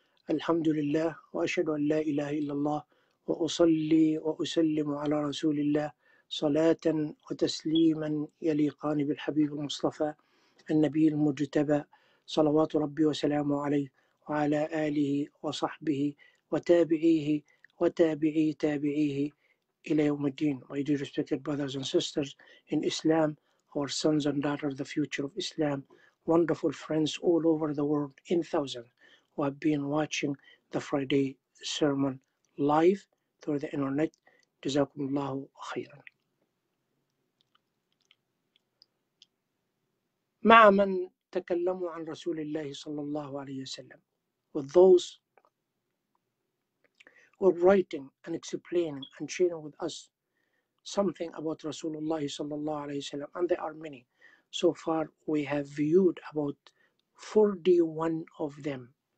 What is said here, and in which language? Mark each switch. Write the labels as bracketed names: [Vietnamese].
[Arabic] الحمد لله وأشهد أن لا إله إلا الله وأصلي وأسلم على رسول الله صلاة وتسليما يليقان بالحبيب المصطفى النبي المجتبى صلوات ربي وسلامه عليه وعلى آله وصحبه وتابعيه وتابعي تابعيه إلى يوم الدين. [English] My dear respected brothers and sisters in Islam, our sons and daughters, the future of Islam, wonderful friends all over the world in thousands who have been watching the Friday sermon live through the internet. [Arabic] Jazakumullahu khairan. مع من تكلموا عن رسول الله صلى الله عليه وسلم. [English] With those who are writing and explaining and sharing with us something about Rasulullah sallallahu alayhi wa sallam, and there are many. So far, we have viewed about 41 of them.